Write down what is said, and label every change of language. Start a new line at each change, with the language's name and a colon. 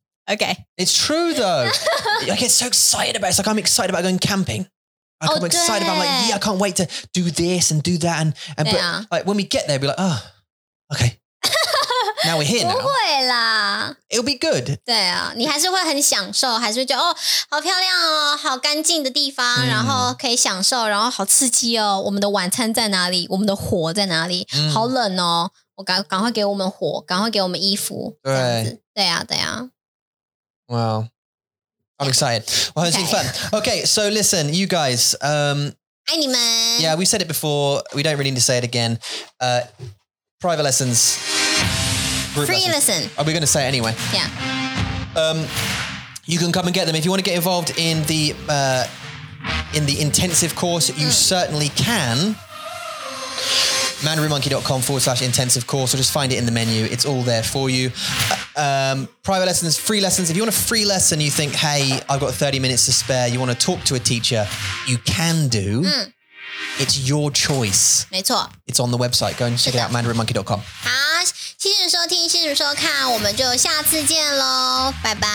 English: Okay. It's true though. I get so excited about it. It's like, I'm excited about going camping. I'm excited about it. I'm like, yeah, I can't wait to do this and do that. And but like, when we get there, we'll be like, oh, okay. Now we're here now.
Chinese: 不会啦。
English: It'll be good.
Chinese: 对啊。你还是会很享受,还是会觉得,哦,好漂亮哦,好干净的地方,然后可以享受,然后好刺激哦,我们的晚餐在哪里,我们的火在哪里,好冷哦,我赶快给我们火,赶快给我们衣服。对。对啊,对啊。
English: Wow. I'm excited. Well, it's been fun. Okay, so listen, you guys,
Chinese: 爱你们。
English: Yeah, we said it before. We don't really need to say it again. Private lessons. Free lessons. Are we going to say it anyway? Yeah. You can come and get them. If you want to get involved in the intensive course, you certainly can. mandarinmonkey.com/intensive course, or just find it in the menu. It's all there for you. Private lessons, free lessons. If you want a free lesson, you think, hey, I've got 30 minutes to spare, you want to talk to a teacher, you can do. It's your choice.
Chinese: 没错。
English: It's on the website. Go and check it out, mandarinmonkey.com.
Chinese: 好，谢谢收听，谢谢收看，我们就下次见咯，拜拜。